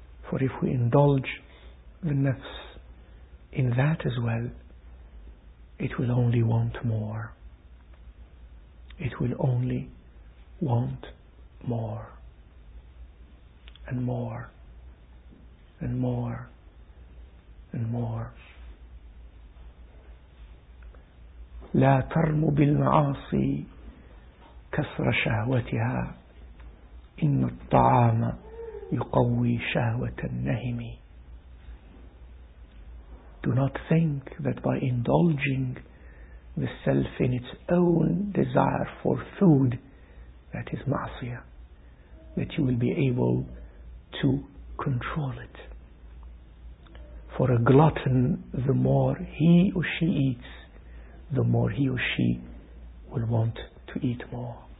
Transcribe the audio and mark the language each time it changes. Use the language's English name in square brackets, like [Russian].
[English] For if we indulge the nafs in that as well, it will only want more. It will only want more and more and more and more. [Arabic] لا ترم بالمعاصي كسر شهوتها إن الطعام يقوي شهوة النهم. [English] Do not think that by indulging the self in its own desire for food, that is ma'asiyah, that you will be able to control it. For a glutton, the more he or she eats, the more he or she will want to eat more.